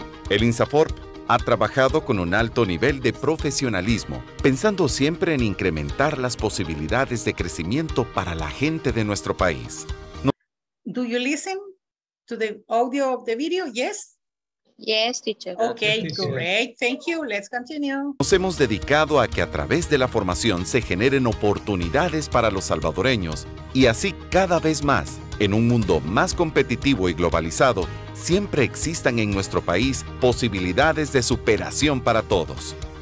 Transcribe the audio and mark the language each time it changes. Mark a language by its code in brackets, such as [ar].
[es] El INSAFORP ha trabajado con un alto nivel de profesionalismo, pensando siempre en incrementar las posibilidades de crecimiento para la gente de nuestro país. [en] Do you listen to the audio of the video? Yes? Yes, teacher. Okay, great. Thank you. Let's continue. [es] Nos hemos dedicado a que a través de la formación se generen oportunidades para los salvadoreños y así cada vez más, en un mundo más competitivo y globalizado, siempre existan en nuestro país posibilidades de superación para todos.